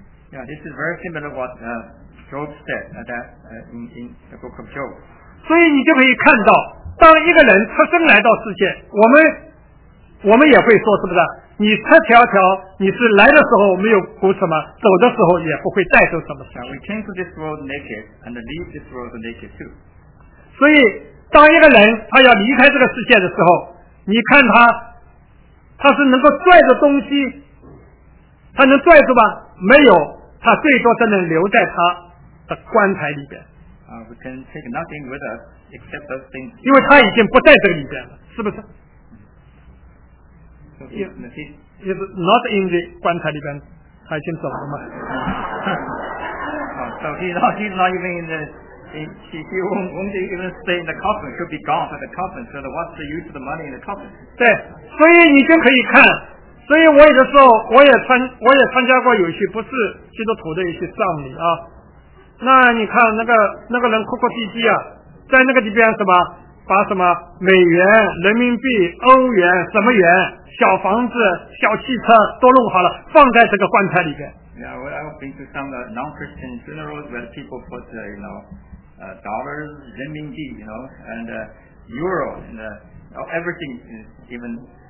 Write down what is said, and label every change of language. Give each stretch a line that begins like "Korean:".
English: Yeah, this is very similar to what Job said in the book of Job.
Chinese: 所以你就可以看到，当一个人出生来到世界，我们也会说，是不是？你出条条，你是来的时候没有补什么，走的时候也不会带走什么。
English: Yeah, we came to this world naked and leave this world naked too.
Chinese: 所以当一个人他要离开这个世界的时候，你看他是能够拽着东西，他能拽住吗？没有，他最多只能留在他的棺材里边。
English: We can take nothing with us except those things.
Chinese: 因为他已经不在这个里边了，是不是？
English: He's not in the
Chinese: 棺材里边，他已经走了嘛。
English: So he's not even in the he won't even stay in the coffin. Should be gone from the coffin. So what's the use of the money in the coffin?
Chinese: 对，所以你就可以看。所以我有的时候我也参加过有些不是基督徒的一些葬礼啊，那你看那个人哭哭啼啼啊，在那个地方什么把什么美元、人民币、欧元、什么元、小房子、小汽车都弄好了，放在这个棺材里边。
English: Yeah, well, I've been to some non-Christian funerals where people put dollars, 人民币 you know, and euro and everything, even.